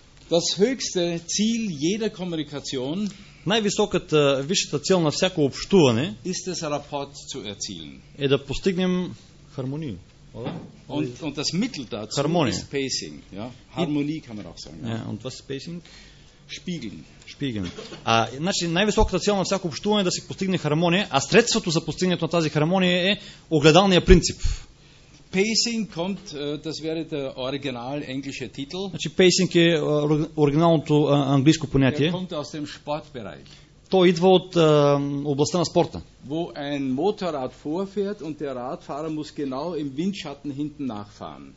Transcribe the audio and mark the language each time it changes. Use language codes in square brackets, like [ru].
[de] Das höchste Ziel jeder Kommunikation [bg] Най-високата, висшата цел на всяко общуване [de] ist das Rapport zu erzielen. [bg] Е да постигнем хармония. [de] Und das Mittel dazu harmonie. Ist Pacing. Ja? Harmonie kann man auch sagen. Ja. Ja, und was ist Pacing? Spiegeln. Spiegeln. [bg] А, значи, най-високата цел на всяко общуване е да се постигне хармония, а средството за постигането на тази хармония е огледалния принцип. [de] Pacing kommt, das wäre der original englische Titel. [bg] Значи, Pacing е оригиналното английско понятие. [de] Kommt aus dem Sportbereich. [bg] То идва от областта на спорта. [de] Wo ein Motorrad vorfährt und der Radfahrer muss genau im Windschatten hinten nachfahren.